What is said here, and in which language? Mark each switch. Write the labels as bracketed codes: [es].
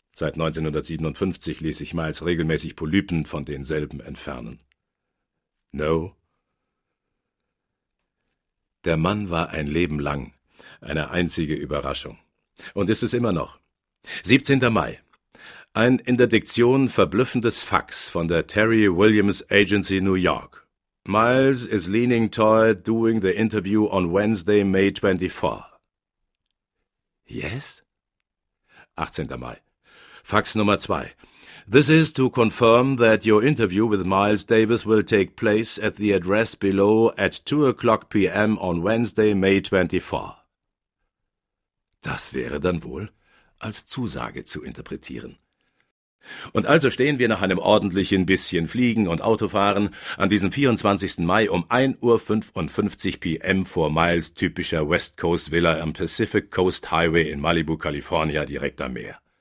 [de] Seit 1957 ließ sich Miles regelmäßig Polypen von denselben entfernen. No. Der Mann war ein Leben lang eine einzige Überraschung. Und ist es immer noch. 17. Mai. Ein in der Diktion verblüffendes Fax von der Terry Williams Agency New York. [en] Miles is leaning toward doing the interview on Wednesday, May 24. [de] Yes? 18. Mai. Fax Nummer 2. [en] This is to confirm that your interview with Miles Davis will take place at the address below at 2 o'clock p.m. on Wednesday, May 24. [de] Das wäre dann wohl als Zusage zu interpretieren. Und also stehen wir nach einem ordentlichen bisschen Fliegen und Autofahren an diesem 24. Mai um 1.55 Uhr vor Miles typischer West Coast Villa am Pacific Coast Highway in Malibu, Kalifornien, direkt am Meer.